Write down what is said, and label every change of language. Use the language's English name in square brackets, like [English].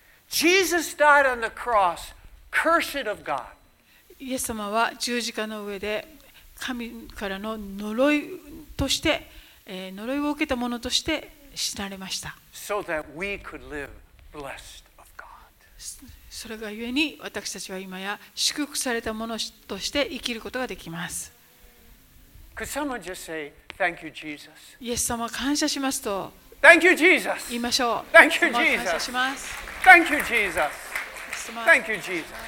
[English] Jesus died on the cross, cursed of God. [Japanese] イエス様は十字架の上で神からの呪いとして、呪いを受けたものとして死なれました。 [English] So that we could live blessed of God. [Japanese] それが故に私たちは今や祝福されたものとして生きることができます。 [English] Could someone just say, "Thank you, Jesus"? [Japanese] イエス様、感謝しますと。 [English] Thank you, Jesus. [Japanese] 言いましょう。 [English] Thank you, Jesus. [Japanese] 感謝します。 [English] Thank you, Jesus. Thank you, Jesus.